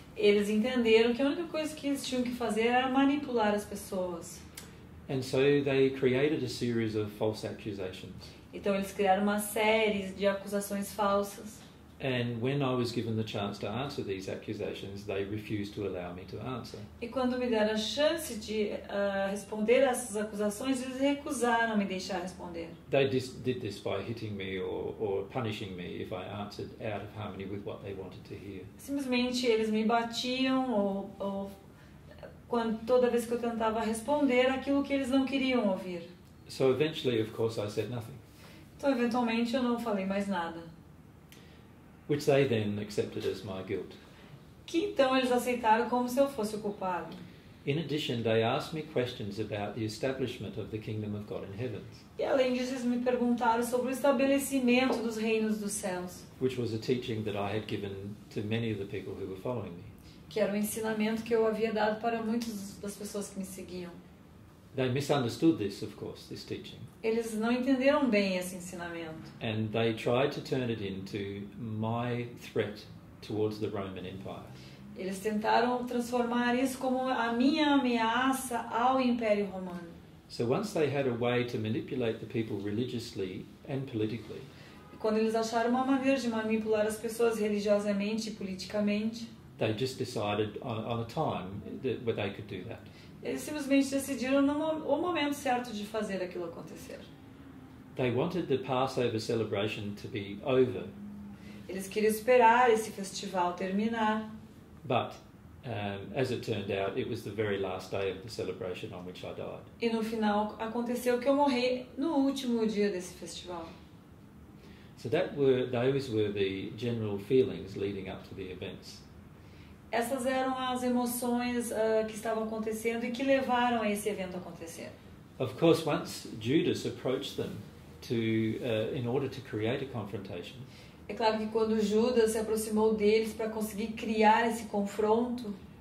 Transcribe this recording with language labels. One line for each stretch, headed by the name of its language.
Portuguese: Eles entenderam que a única coisa que eles tinham que fazer era manipular as pessoas.
English: And so they created a series of false accusations.
Portuguese: Então eles criaram uma série de acusações falsas.
English: And when I was given the chance to answer these accusations, they refused to allow me to answer.
Portuguese: E quando me deram a chance de responder a essas acusações, eles recusaram me deixar responder.
English: They just did this by hitting me or punishing me if I answered out of harmony with what they wanted to hear.
Portuguese: Simplesmente eles me batiam ou toda vez que eu tentava responder aquilo que eles não queriam ouvir.
English: So eventually, of course, I said nothing.
Portuguese: Então eventualmente eu não falei mais nada.
English: Which they then accepted as my guilt.
Portuguese: Que então eles aceitaram como se eu fosse o culpado.
English: In addition, they asked me questions about the establishment of the kingdom of God in heaven.
Portuguese: E além disso, eles me perguntaram sobre o estabelecimento dos reinos dos céus.
English: Which was a teaching that I had given to many of the people who were following me.
Portuguese: Que era um ensinamento que eu havia dado para muitas das pessoas que me seguiam.
English: They misunderstood this, of course, this teaching.
Portuguese: Eles não entenderam bem esse ensinamento.
English: And they tried to turn it into my threat towards the Roman Empire.
Portuguese: Eles tentaram transformar isso como a minha ameaça ao Império Romano.
English: So once they had a way to manipulate the people religiously and politically.
Portuguese: Quando eles acharam uma maneira de manipular as pessoas religiosamente e politicamente.
English: They just decided on a time that where they could do that.
Portuguese: Eles simplesmente decidiram o momento certo de fazer aquilo acontecer.
English: They wanted the Passover celebration to be over.
Portuguese: Eles queriam esperar esse festival terminar.
English: But, as it turned out, it was the very last day of the celebration on which I died.
Portuguese: E no final aconteceu que eu morri no último dia desse festival.
English: So that were those were the general feelings leading up to the events.
Portuguese: Essas eram as emoções que estavam acontecendo e que levaram a esse evento acontecer.
English: Of course, once Judas approached them in order to create a confrontation.
Portuguese: É claro que quando Judas se aproximou deles para conseguir criar esse confronto.